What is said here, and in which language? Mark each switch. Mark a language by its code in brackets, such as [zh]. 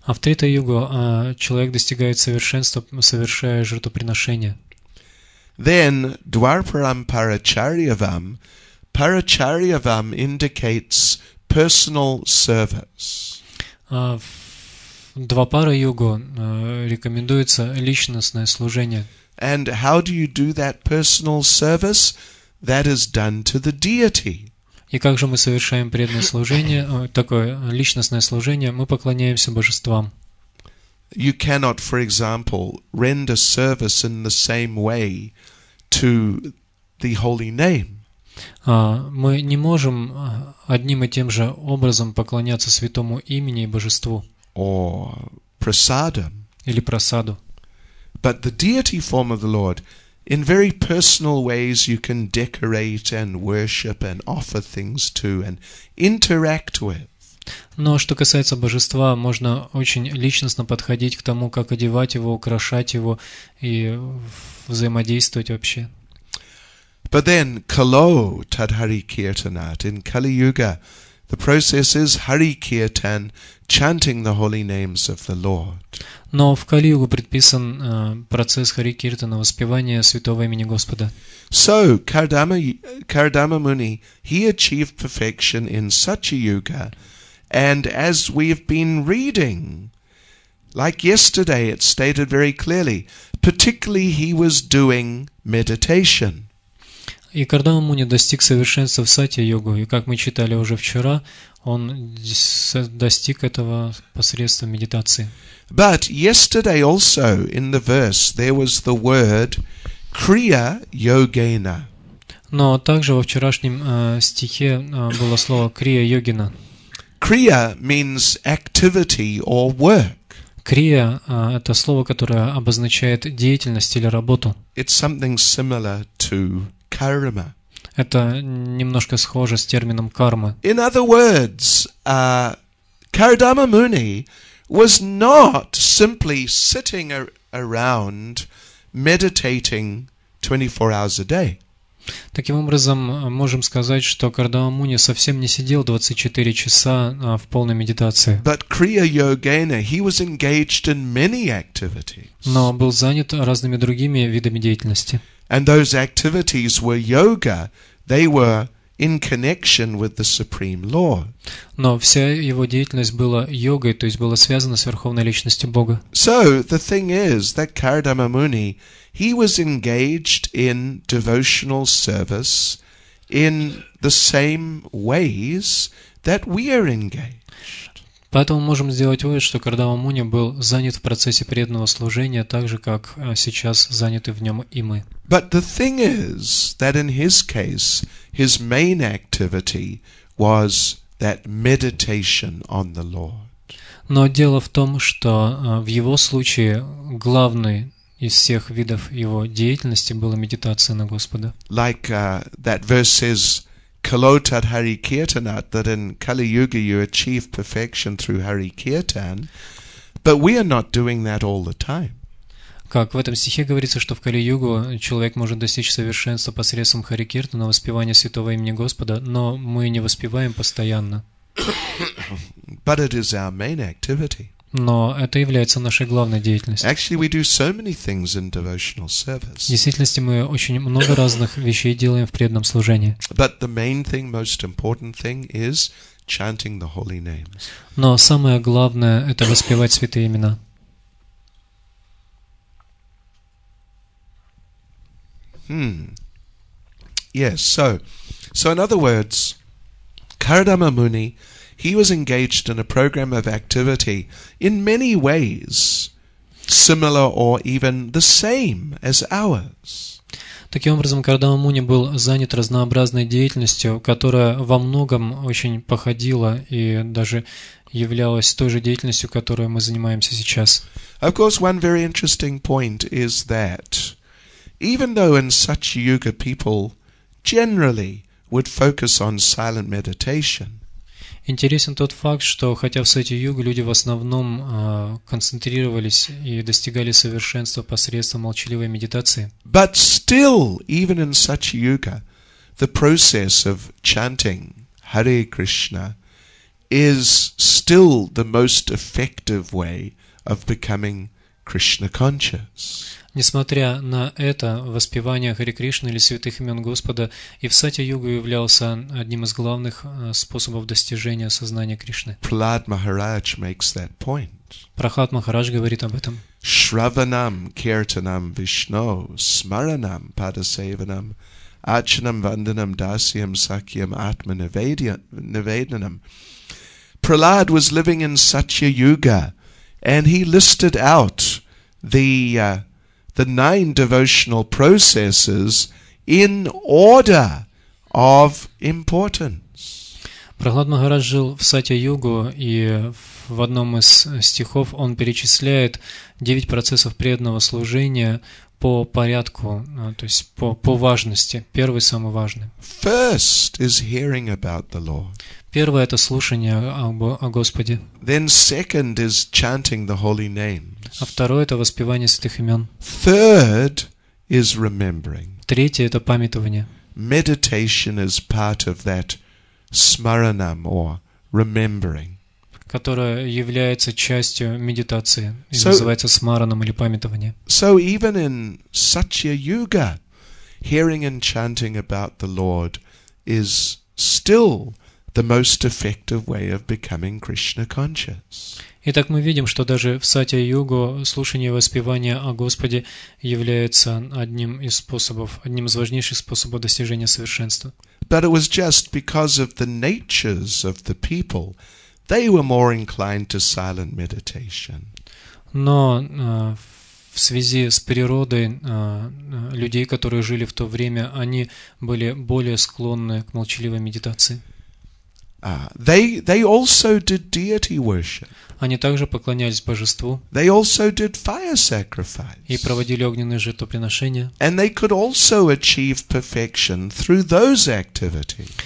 [ru] А в Трита-йогу человек достигает совершенства, совершая жертвоприношение. [en] Then [sa] dwarparam paracharyavam. [en] Paracharyavam indicates personal service. [ru] Двапара йога рекомендуется личностное служение. [en] And how do you do that personal service? That is done to the deity. [ru] И как же мы совершаем преданное служение, такое личностное служение? Мы поклоняемся божествам. [en] You cannot, for example, render service in the same way to the holy name. [ru] Мы не можем одним и тем же образом поклоняться святому имени и божеству. [en] Or prasadam. [ru] Или прасаду. [en] But the deity form of the Lord, in very personal ways you can decorate and worship and offer things to and interact with. [ru] Но что касается божества, можно очень личностно подходить к тому, как одевать его, украшать его и взаимодействовать вообще. [en] But then [sa] kalo tadhari kirtanat. [en] In Kali Yuga the process is hari kirtan, chanting the holy names of the Lord. [ru] Но в Кали-югу предписан процесс хари киртана, воспевание святого имени Господа. [en] So Kardama Muni, he achieved perfection in Satya Yuga. And as we've been reading, like yesterday, it stated very clearly, particularly he was doing meditation. [ru] И Кардама Муни достиг совершенства в Сатья-йоге, и как мы читали уже вчера, он достиг этого посредством медитации. [en] But yesterday also in the verse there was the word Kriya Yogena. [ru] Но также во вчерашнем стихе было слово Крия Йогина. [en] Kriya means activity or work. [ru] Kriya – это слово, которое обозначает деятельность или работу. [en] It's something similar to karma. [ru] Это немножко схоже с термином карма. [en] In other words, Kardama Muni was not simply sitting around meditating 24 hours a day. [ru] Таким образом, можем сказать, что Кардама Муни совсем не сидел 24 часа в полной медитации. [en] But Kriya Yogena, he was engaged in many activities. [ru] Но был занят разными другими видами деятельности. [en] And those activities were yoga. They were in connection with the Supreme Lord. [ru] Но вся его деятельность была йогой, то есть была связана с Верховной Личностью Бога. [en] So the thing is that Kardama Muni, he was engaged in devotional service in the same ways that we are engaged. [ru] Поэтому можем сделать вывод, что Кардама Муни был занят в процессе преданного служения так же, как сейчас заняты в нем и мы. [en] But the thing is that in his case, his main activity was that meditation on the Lord. [ru] Но дело в том, что в его случае главный из всех видов его деятельности была медитация на Господа. [en] Like that verse is [sa] Kalotat Hari Kirtanat, [en] that in Kali Yuga you achieve perfection through Hari Kirtan, but we are not doing that all the time. [ru] Как в этом стихе говорится, что в Кали-Югу человек может достичь совершенства посредством Хари-Киртана, воспевания святого имени Господа, но мы не воспеваем постоянно. [en] But it is our main activity. [ru] Но это является нашей главной деятельностью. [en] Actually, we do so many things in devotional service. [ru] В действительности мы очень много разных вещей делаем в преданном служении. [en] But the main thing, most important thing is chanting the holy names. [ru] Но самое главное – это воспевать святые имена. [en] Yes, so in other words, Kardama Muni, he was engaged in a program of activity in many ways similar or even the same as ours. [ru] Таким образом, Кардама Муни был занят разнообразной деятельностью, которая во многом очень походила и даже являлась той же деятельностью, которой мы занимаемся сейчас. [en] Of course, one very interesting point is that even though in such yuga people generally would focus on silent meditation. [ru] Интересен тот факт, что хотя в сати-йоге люди в основном концентрировались и достигали совершенства посредством молчаливой медитации. [en] But still, even in such yuga, the process of chanting Hare Krishna is still the most effective way of becoming Krishna conscious. [ru] Несмотря на это, воспевание Хари Кришны или святых имен Господа и в сати-йогу являлся одним из главных способов достижения сознания Кришны. [en] Прахлад Махарадж makes that point. [ru] Прахлад Махарадж говорит об этом. [sa] Шраванам киртанам вишно смаранам падасеванам ачанам ванданам дасиям сакьям атма неведанам. [en] Прахлад was living in сати-йога and he listed out the nine devotional processes in order of importance. [ru] Прахлад Махарадж жил в сати-йогу, и в одном из стихов он перечисляет 9 процессов преданного служения по порядку, то есть по важности, первый самый важный. [en] First is hearing about the Lord. [ru] Первое – это слушание о Господе. [en] Then second is chanting the holy names. [ru] А второе – это воспевание святых имен. [en] Third is remembering. [ru] Третье – это памятование. [en] Meditation is part of that smaranam or remembering. [ru] Которое является частью медитации и so, называется смаранам или памятование. [en] So even in сати-йога, hearing and chanting about the Lord is still the most effective way of becoming Krishna conscious. [ru] Итак, мы видим, что даже в сати-йогу слушание и воспевание о Господе является одним из способов, одним из важнейших способов достижения совершенства. [en] But it was just because of the natures of the people, they were more inclined to silent meditation. [ru] Но в связи с природой людей, которые жили в то время, они были более склонны к молчаливой медитации. [en] They also did deity worship. [ru] Они также поклонялись божеству. [en] They also did fire sacrifice. [ru] И проводили огненные жертвоприношения. [en] And they could also achieve perfection through those activities.